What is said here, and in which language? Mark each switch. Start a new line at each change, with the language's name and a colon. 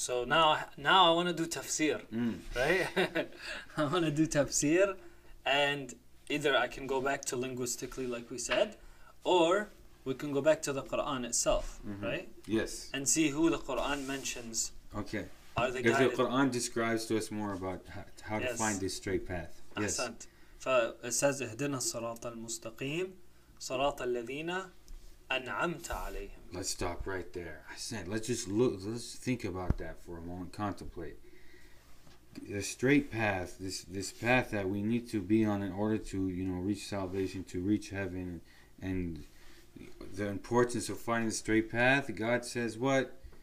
English: So now I want to do tafsir, right? I want to do tafsir, and either I can go back to linguistically, like we said, or we can go back to the Quran itself, right? Yes. And see who the Quran mentions. Okay. If the Quran describes to us more about how to find this straight path. Yes. It says,
Arabic: اهدنا الصراط المستقيم صراط الذين أنعمت عليهم.
English: Let's stop right there. Let's just look, let's think about that for a moment, contemplate. The straight path, this path that we need to be on in order to, you know, reach salvation, to reach heaven, and the importance of finding the straight path, God says what?